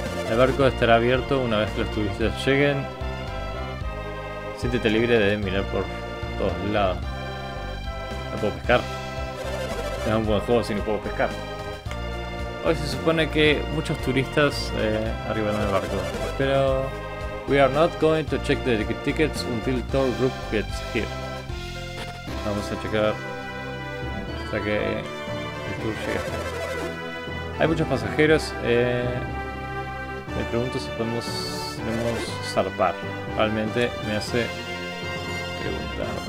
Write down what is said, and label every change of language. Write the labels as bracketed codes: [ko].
[es] El barco estará abierto una vez que los turistas lleguen. Siéntete libre de mirar por todos lados. ¿No puedo pescar? Es un buen juego si no puedo pescar. Hoy se supone que muchos turistas arribarán al barco. Pero... [en] We are not going to check the tickets until tour group gets here. [es] Vamos a checar hasta que el tour llegue. Hay muchos pasajeros. Me pregunto si podemos zarpar. Realmente me hace preguntar.